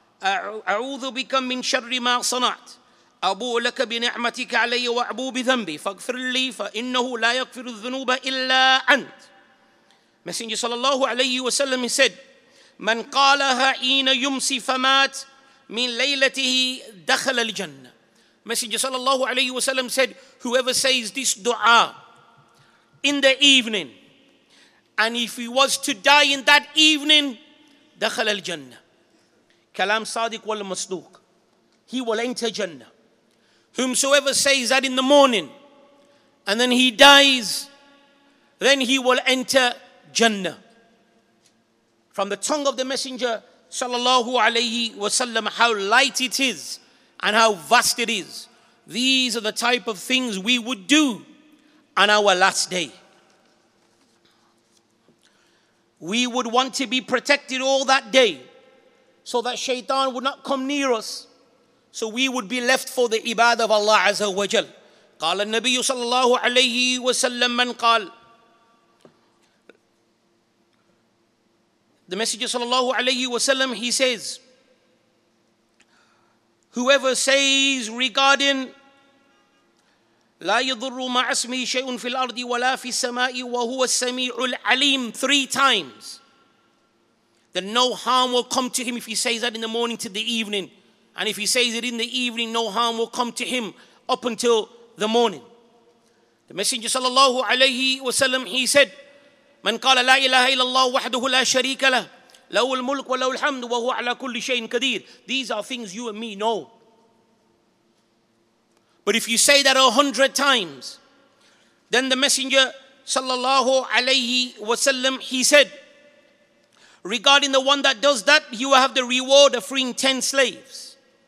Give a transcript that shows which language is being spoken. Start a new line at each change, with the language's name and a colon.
Arabic: أعوذ بك من شر ما صنعت أبو لك بنعمتك علي وأبو بذنبي فاغفر لي فإنه لا يغفر الذنوب إلا أنت.
English: Messenger
Arabic: صلى الله عليه وسلم
English: said,
Arabic: من قالها حين يمسي فمات من ليلته دخل الجنة.
English: Messenger
Arabic: صلى الله عليه وسلم
English: said, whoever says this dua in the evening and if he was to die in that evening,
Arabic: دخل الجنة. Kalam Sadiq wal Masduq.
English: He will enter Jannah. Whomsoever says that in the morning and then he dies, then he will enter Jannah. From the tongue of the Messenger sallallahu alayhi wasallam, how light it is and how vast it is. These are the type of things we would do on our last day. We would want to be protected all that day, so that shaitan would not come near us. So we would be left for the ibadah of Allah Azza wa Jal.
Arabic: قال النبي صلى الله عليه وسلم من قال.
English: The Messenger
Arabic: صلى الله عليه وسلم,
English: he says, whoever says regarding
Arabic: لا يضر مع اسمي شيء في الأرض ولا في السماء وهو السميع العليم
English: three times, then no harm will come to him if he says that in the morning to the evening. And if he says it in the evening, no harm will come to him up until the morning. The Messenger sallallahu alayhi wa sallam, he said,
Arabic: من قال لا إله إلا الله وحده لا شريك له له الملك وله الحمد وهو على كل شيء قدير.
English: These are things you and me know. But if you say that 100 times, then the Messenger sallallahu alayhi wa sallam, he said, regarding the one that does that, he will have the reward of freeing 10 slaves.